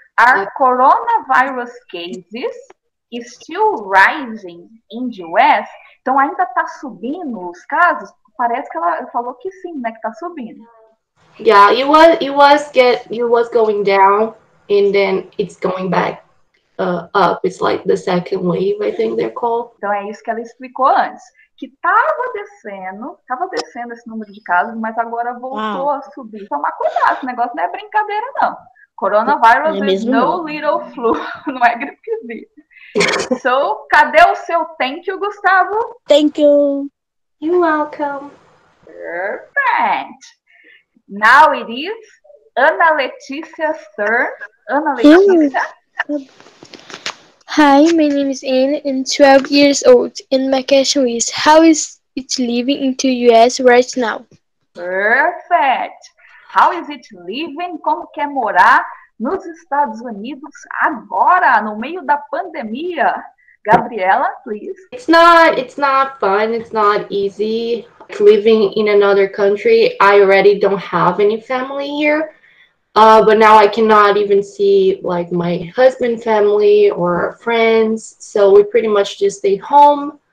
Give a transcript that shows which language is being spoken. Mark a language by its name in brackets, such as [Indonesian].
[English] Our coronavirus cases is still rising in the US. [Portuguese] Então, ainda está subindo os casos? Parece que ela falou que sim, né? Que tá subindo. [English] Yeah, it was going down and then it's going back up. It's like the second wave, I think they're called. [Portuguese] Então é isso que ela explicou antes. Que tava descendo esse número de casos, mas agora voltou a subir. Tomar cuidado, esse negócio não é brincadeira, não. [English] Coronavirus is no little flu. [Portuguese] Não é gripezinha. So, cadê o seu [English] thank you, [Portuguese] Gustavo? [English] Thank you. You're welcome. Perfect. Now it is Ana Letícia's turn. Ana Letícia. Hi, my name is Anne, I'm 12 years old, and my question is, how is it living in the U.S. right now? Perfect. How is it living? [Portuguese] Como quer morar nos Estados Unidos agora, no meio da pandemia? [English] Gabriela, please. It's not fun, it's not easy living in another country. I already don't have any family here. But now I cannot even see like my husband, family or friends. So we pretty much just stay home.